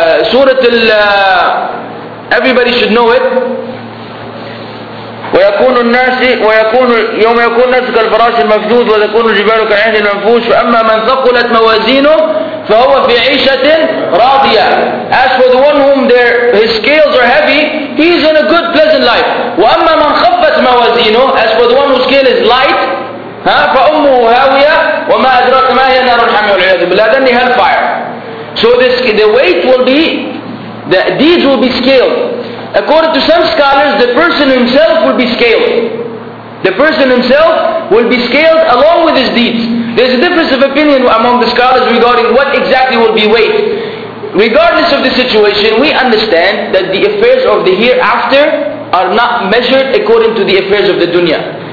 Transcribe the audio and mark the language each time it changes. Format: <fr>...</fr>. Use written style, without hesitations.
<en>Surah al, everybody should know it.</en> <ar>ويكون الناس ويكون يوم يكون الناس كالفراش المفدود وتكون الجبال كالعهن المنفوش فأما من ثقلت موازينه فهو في عيشة راضية.</ar> <en>As for the one whom his scales are heavy, he is in a good pleasant life.</en> <ar>وأما من خفت موازينه,</ar> <en>as for the one whose scale is light,</en> <ar>فأمه هاوية وما أدراك ما هي نار الحمى والعياذ بالله,</ar> <en>then the hellfire. So this, the weight will be, the deeds will be scaled. According to some scholars, the person himself will be scaled. The person himself will be scaled along with his deeds. There's a difference of opinion among the scholars regarding what exactly will be weighed. Regardless of the situation, we understand that the affairs of the hereafter are not measured according to the affairs of the dunya.</en>